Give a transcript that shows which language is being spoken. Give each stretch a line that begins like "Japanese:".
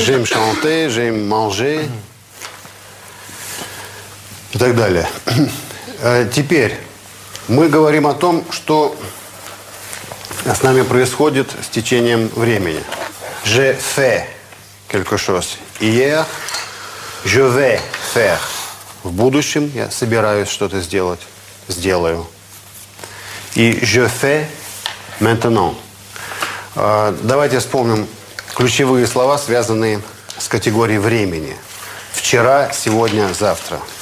French: J'aime chanter, j'aime manger.
Russian: И так далее. Теперь мы говорим о том, что с нами происходит с течением времени.
French: Je fais quelque chose hier. Je vais faire.
Russian: В будущем я собираюсь что-то сделать. Сделаю. И
French: je fais maintenant.
Russian: Давайте вспомним ключевые слова, связанные с категорией времени. Вчера, сегодня, завтра.